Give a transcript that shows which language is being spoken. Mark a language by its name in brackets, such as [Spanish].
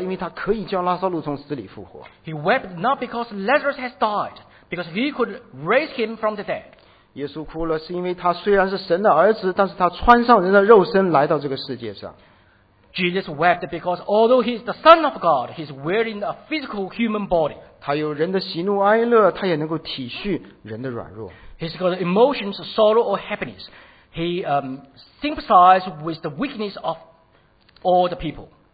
[English] he wept not because Lazarus has died, because he could raise him from the dead. [Chinese] 耶稣哭了是因为他虽然是神的儿子,但是他穿上人的肉身来到这个世界上。 [English] Jesus wept because although he is the Son of God, he is wearing a physical human body. [Chinese] 他有人的喜怒哀乐,他也能够体恤人的软弱。 [English] He's got emotions, sorrow or happiness. He sympathized with the weakness of all the people.